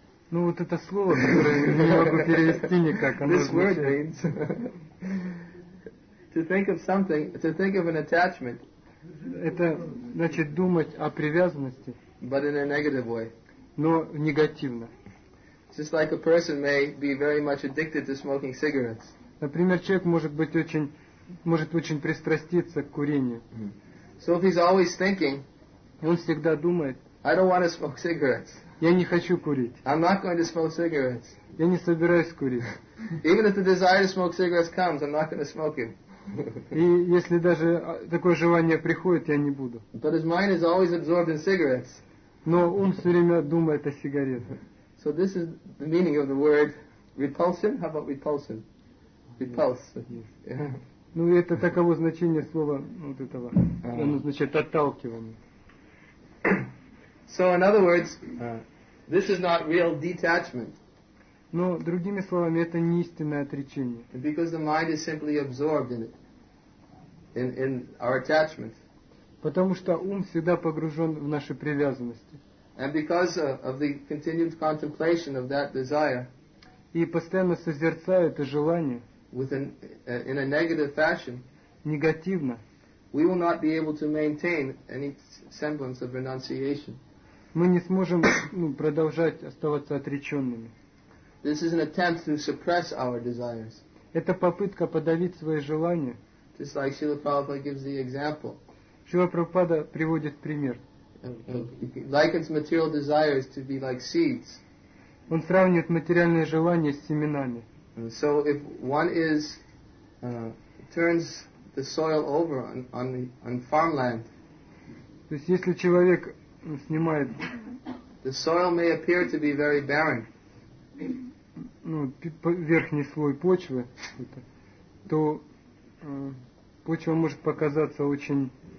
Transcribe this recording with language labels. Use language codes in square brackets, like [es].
[ru] Ну вот это слово, которое не могу перевести никак. [en] This word means to think of something, to think of an attachment. [ru] Это значит думать о привязанности. [en] But in a negative way. [ru] Но негативно. [en] Just like a person may be very much addicted to smoking cigarettes. [ru] Например, человек может очень пристраститься к курению. [en] So if he's always thinking, [ru] он всегда думает. [en] I don't want to smoke cigarettes. [ru] Я не хочу курить. [en] I'm not going to smoke cigarettes. [ru] Я не собираюсь курить. [en] Even if the desire to smoke cigarettes comes, I'm not going to smoke it. [ru] И если даже такое желание приходит, я не буду. [en] But his mind is always absorbed in cigarettes. [ru] Но он все время думает о сигаретах. [en] So this is the meaning of the word repulsion. How about repulsion? Repulse. Yes. [ru] Ну это таково значение слова вот этого. Он означает отталкивание. [en] So in other words, this is not real detachment. [ru] Но другими словами, это не истинное отречение. [en] Because the mind is simply absorbed in it, in our attachment. [ru] Потому что ум всегда погружен в наши привязанности. [en] And because of the continued contemplation of that desire. [ru] И постоянно созерцая это желание. [en] In a negative fashion. [ru] Негативно. [en] We will not be able to maintain any semblance of renunciation. [ru] Мы не сможем продолжать оставаться отреченными. [en] This is an attempt to suppress our desires. [ru] Это попытка подавить свои желания. [en] Just like Srila Prabhupada gives the example. [ru] Srila Prabhupada приводит пример. [en] He likens material desires to be like seeds. [ru] Он сравнивает материальные желания с семенами. [en] And so if one is turns the soil over on farmland. [ru] То есть если человек снимает. [en] The soil may appear to be very barren. [ru] Ну, верхний слой почвы, то почва может показаться очень